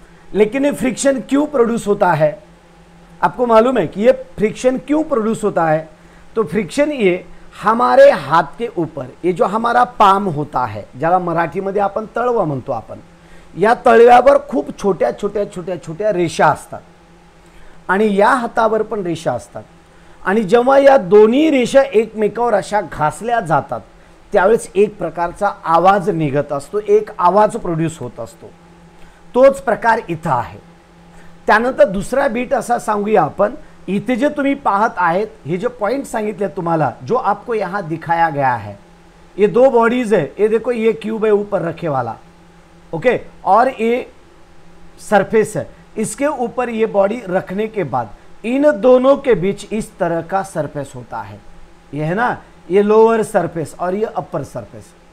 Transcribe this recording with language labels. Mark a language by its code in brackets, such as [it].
[hi] लेकिन ये फ्रिक्शन क्यों प्रोड्यूस होता है आपको मालूम है कि ये फ्रिक्शन क्यों प्रोड्यूस होता है? [mr] तो फ्रिक्शन ये हमारे हाथ के ऊपर, ये जो हमारा पाम होता है, ज्याला मराठी मध्ये आपण तळवा म्हणतो, आपण या तळव्यावर खूप छोट्या छोट्या छोट्या छोट्या रेषा असतात आणि या हातावर पण रेषा असतात, आणि जेव्हा या दोन्ही रेषा एकमेकावर अशा घासल्या जातात त्यावेळेस एक प्रकारचा आवाज निघत असतो, एक आवाज प्रोड्यूस होत असतो, तोच प्रकार इथं आहे। त्यानंतर दुसरा बीट असा सांगूया आपण, इथे जे तुम्ही पाहत आहेत, हे जे पॉइंट सांगितले तुम्हाला, [hi] जो आपको यहाँ दिखाया गया है, ये दो बॉडीज है, ये देखो ये क्यूब है ऊपर रखे वाला, ओके, और ये सरफेस है, इसके ऊपर ये बॉडी रखने के बाद इन दोनों के बीच इस तरह का सरफेस होता है, ये है ना, ये लोअर सरफेस और ये अपर सरफेस।